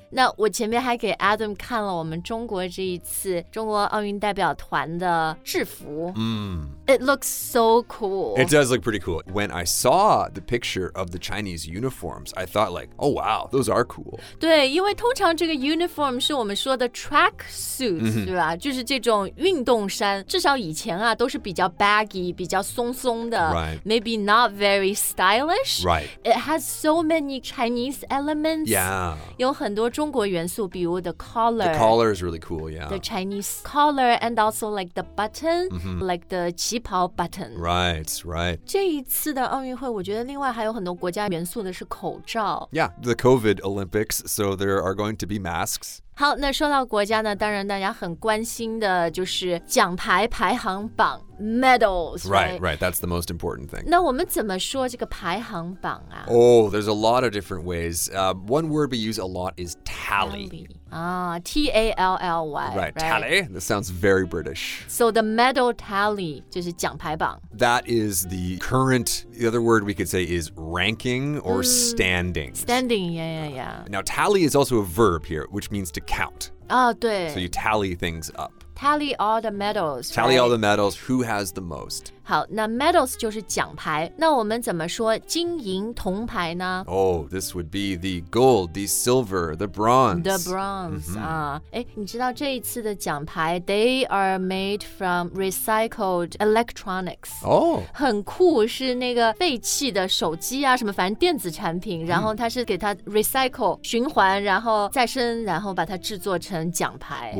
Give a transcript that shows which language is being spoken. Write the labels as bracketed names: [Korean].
[Chinese] 那我前面还给 Adam 看了我们中国这一次中国奥运代表团的制服。 [English] It looks so cool. It does look pretty cool. When I saw the picture of the Chinese uniforms, I thought like, oh wow, those are cool. [Chinese] 对，因为通常这个 uniform 是我们说的 track suits, 对吧？就是这种运动衫，至少以前啊，都是比较 baggy, 比较松松的。 [English] Right. Maybe not very stylish. Right. It has so many Chinese elements. Yeah. [Chinese] 有很多中国元素，比如 the collar. [English] The collar is really cool, yeah. The Chinese collar and also like the button,、like the 旗袍 button. Right, right. [Chinese] 这一次的奥运会，我觉得另外还有很多国家元素的是口罩。 [English] Yeah, the COVID Olympics, so there are going to be masks. [Chinese] 好，那说到国家呢，当然大家很关心的就是奖牌排行榜 medals. [English] Right, that's the most important thing. [Chinese] 那我们怎么说这个排行榜啊？ [English] Oh, there's a lot of different ways. One word we use a lot is tally. T-A-L-L-Y. Right, tally. That sounds very British. So the medal tally [Chinese] 就是奖牌榜。 [English] That is the current, the other word we could say is ranking or standing. Standing. Now tally is also a verb here, which means to count. [Chinese] Oh, 对。 [English] So you tally things up. Tally all the medals. Tally all the medals, who has the most? [Chinese] 好，那 medals 就是奖牌。那我们怎么说金银铜牌呢？ [English] Oh, this would be the gold, the silver, the bronze. The bronze, [Chinese] 你知道这一次的奖牌, [English] they are made from recycled electronics. Oh. [Chinese] 很酷，是那个废弃的手机啊，什么反正电子产品，然后它是给它 recycle, 循环，然后再生，然后把它制作成奖牌。